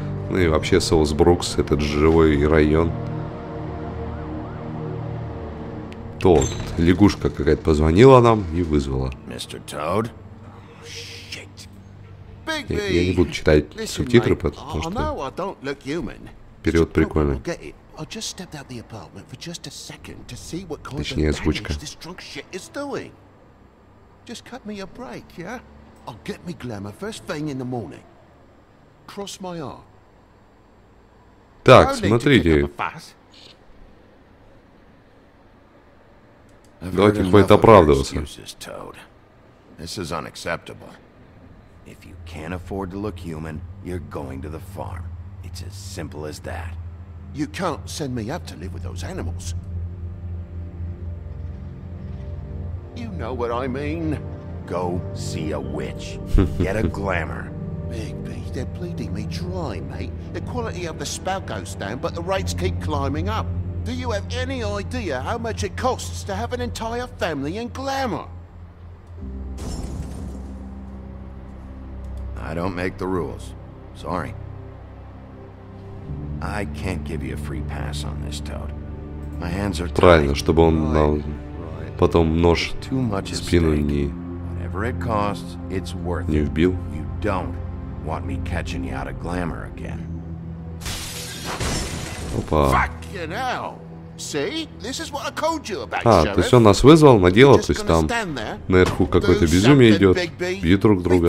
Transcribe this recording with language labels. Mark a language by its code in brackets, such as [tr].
[ru] Ну и вообще Соусбрукс, этот живой район. Тот, лягушка какая-то позвонила нам и вызвала. Мистер Тоуд? Я не буду читать субтитры, потому что перевод прикольный. [en] I'll just step out the apartment for just a second to see what kind [ru] Точнее, [en] of damage [ru] озвучка. [en] This drunk shit is doing. Just cut me a break, yeah? I'll get me glamour first thing in the morning. Cross my heart. [ru] Так, смотрите. Давайте хватит оправдываться. [en] This is unacceptable. If you can't afford to look human, you're going to the farm. It's as simple as that. You can't send me up to live with those animals. You know what I mean. Go see a witch. Get a glamour. Bigby, they're bleeding me dry, mate. The quality of the spell goes down, but the rates keep climbing up. Do you have any idea how much it costs to have an entire family in glamour? I don't make the rules. Sorry. I can't give you a free pass on this, Toad. My hands are tied. [ru] Правильно, чтобы он потом нож в спину не. [en] Whatever it costs, it's worth it. [ru] Не вбил. [en] You don't want me catching you out of glamour again. [ru] Опа. [en] Fucking hell! See, this is what I called you about. [ru] А, то есть он нас вызвал на дело, то есть там наверху какое-то безумие идет, бьют друг друга.